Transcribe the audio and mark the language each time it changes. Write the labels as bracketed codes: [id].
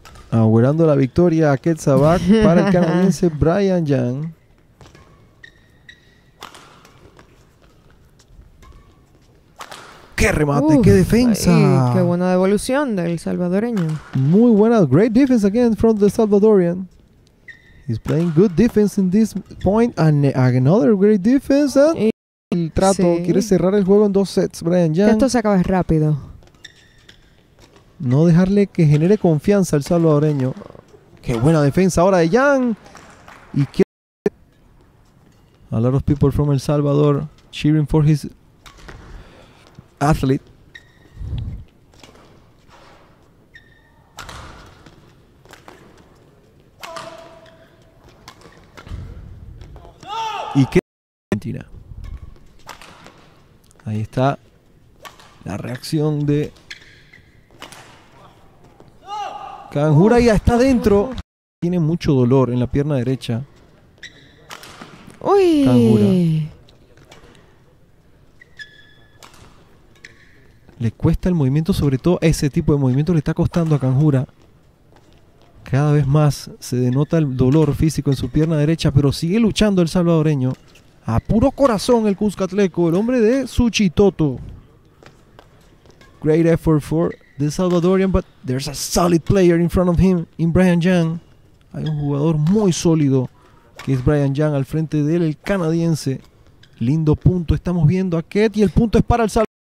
[es] Augurando la victoria a Ketsabak para el canadiense Brian Yang. ¡Qué remate! ¡Qué defensa! Y ¡qué buena devolución del salvadoreño! Muy buena. [en] Great defense again from the Salvadorian. He's playing good defense in this point. And another great defense. And [es] el trato, sí. Quiere cerrar el juego en dos sets, Brian Yang. Esto se acaba rápido. No dejarle que genere confianza al salvadoreño. Qué buena defensa ahora de Yang. Y qué. [en] A lot of people from El Salvador cheering for his athlete. [es] Y qué. Argentina. Ahí está la reacción de Kanjura. Ya está dentro. Tiene mucho dolor en la pierna derecha. Uy. Kanjura. Le cuesta el movimiento, sobre todo ese tipo de movimiento le está costando a Kanjura. Cada vez más se denota el dolor físico en su pierna derecha, pero sigue luchando el salvadoreño. A puro corazón el cuscatleco, el hombre de Suchitoto. [en] Great effort for the Salvadorian, but there's a solid player in front of him, in Brian Yang. [es] Hay un jugador muy sólido, que es Brian Yang, al frente de él, el canadiense. Lindo punto, estamos viendo a Ket, y el punto es para el Salvador.